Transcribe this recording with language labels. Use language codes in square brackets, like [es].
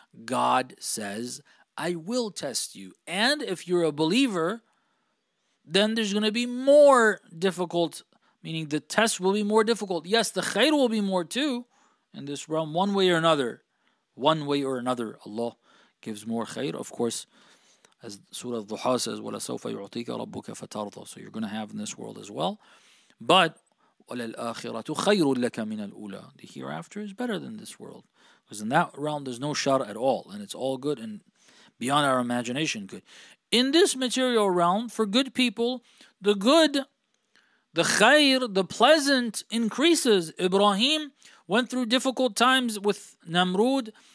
[en] God says, I will test you. And if you're a believer, then there's going to be more difficult, meaning the test will be more difficult. Yes, the khair will be more too in this realm, one way or another. One way or another, Allah gives more khair. Of course, as Surah Al-Duha says, [ar] وَلَسَوْفَ يُعْطِيكَ رَبُّكَ فَتَرْضَى. [en] So you're going to have in this world as well. [ar] But وَلَلْآخِرَةُ خَيْرٌ لَكَ مِنَ الْأُولَى. [en] The hereafter is better than this world. Because in that realm, there's no shar at all. And it's all good and beyond our imagination good. In this material realm, for good people, the good, the khair, the pleasant increases. Ibrahim went through difficult times with Namrud.